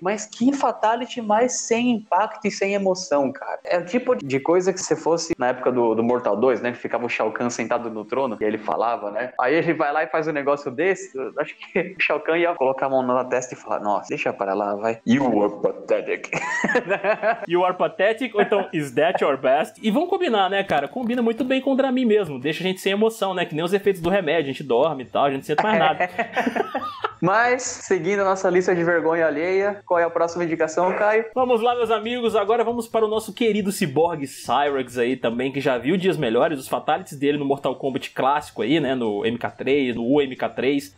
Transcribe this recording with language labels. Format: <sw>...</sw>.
<pt>Mas que fatality mais sem impacto e sem emoção, cara. É o tipo de coisa que se fosse na época do Mortal 2, né? Que ficava o Shao Kahn sentado no trono e ele falava, né? Aí ele vai lá e faz um negócio desse. Eu acho que o Shao Kahn ia colocar a mão na testa e falar, nossa, deixa para lá, vai.</pt> <en>You are pathetic. You are pathetic,</en> <pt>ou então,</pt> <en>is that your best?</en> <pt>E vamos combinar, né, cara? Combina muito bem com o Dramin mesmo. Deixa a gente sem emoção, né? Que nem os efeitos do remédio. A gente dorme e tal, a gente não sente mais nada. Mas, seguindo a nossa lista de vergonha alheia, qual é a próxima indicação, Caio? Vamos lá, meus amigos. Agora vamos para o nosso querido Cyborg Cyrex aí também, que já viu dias melhores. Os fatalities dele no Mortal Kombat clássico aí, né? No MK3, no UMK3.</pt>